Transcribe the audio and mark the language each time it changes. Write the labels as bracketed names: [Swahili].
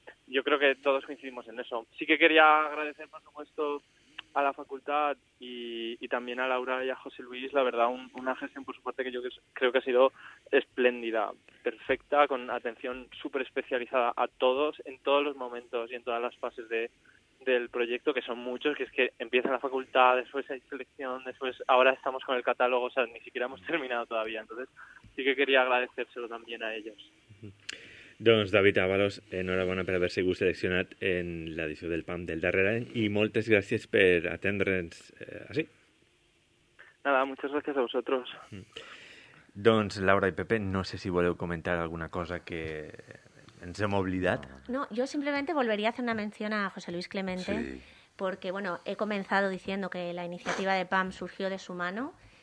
[Spanish] Yo creo que todos coincidimos en eso. Sí que quería agradecer, por supuesto, a la facultad y también a Laura y a José Luis, la verdad, una gestión por su parte que yo creo que ha sido espléndida, perfecta, con atención súper especializada a todos, en todos los momentos y en todas las fases del proyecto, que son muchos, que es que empieza la facultad, después hay selección, después ahora estamos con el catálogo, o sea, ni siquiera hemos terminado todavía. Entonces, sí que quería agradecérselo también a ellos. [Catalan] Doncs David Ábalos, enhorabona per haver sigut seleccionat en l'edició del PAM del darrer any i moltes gràcies per atendre'ns així. [Spanish] Nada, muchas gracias a vosotros. [Catalan] Doncs Laura i Pepe, no sé si voleu comentar alguna cosa que ens hem oblidat. [Spanish] No, yo simplemente volvería a hacer una mención a José Luis Clemente, sí. Porque bueno, he comenzado diciendo que la iniciativa de PAM surgió de su mano.